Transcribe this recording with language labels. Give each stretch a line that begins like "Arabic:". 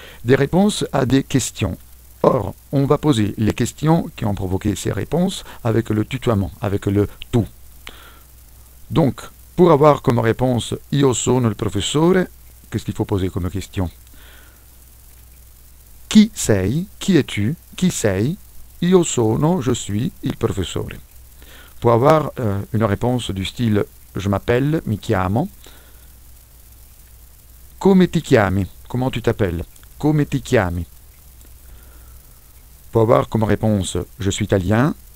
French: Des réponses à des questions. Or, on va poser les questions qui ont provoqué ces réponses avec le tutoiement, avec le tu. Donc, pour avoir comme réponse
Italian: Io sono il professore,
French: qu'est-ce qu'il faut poser comme question?
Italian: Qui sei?
French: Qui es-tu?
Italian: Qui sei? Io sono,
French: je suis
Italian: il professore.
French: Pour avoir une réponse du style je m'appelle,
Italian: mi chiamo. Come ti chiami?
French: Comment tu t'appelles?
Italian: Come ti chiami?
French: Pour avoir comme réponse je suis italien.